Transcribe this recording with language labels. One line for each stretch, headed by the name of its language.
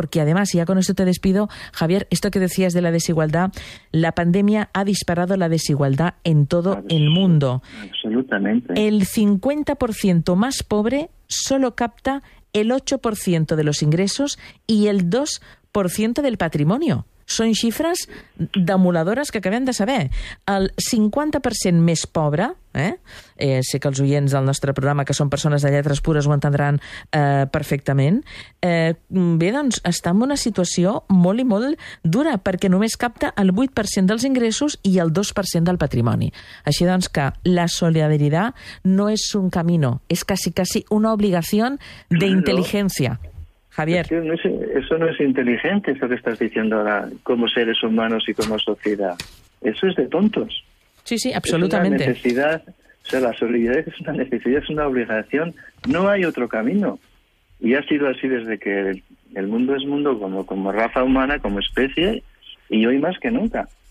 Spanish: Porque además, y ya con esto te despido, Javier, esto que decías de la desigualdad, la pandemia ha disparado la desigualdad en todo el mundo. Absolutamente. El 50% más pobre solo capta el 8% de los ingresos y el 2% del patrimonio.
Catalan: Són xifres demoledores que acabem de saber. El 50% més pobre, sé que els oients del nostre programa, que són persones de lletres pures, ho entendran perfectament, està en una situació molt i molt dura, perquè només capta el 8% dels ingressos i el 2% del patrimoni. Així doncs que la solidaritat no és un camí, és quasi una obligació d'intel·ligència. Javier.
Spanish: Eso no es inteligente, eso que estás diciendo ahora, como seres humanos y como sociedad. Eso es de tontos. Sí, sí, absolutamente. Es una necesidad, o sea, la solidaridad es una necesidad, es una obligación. No hay otro camino. Y ha sido así desde que el mundo es mundo, como raza humana, como especie, y hoy más que nunca.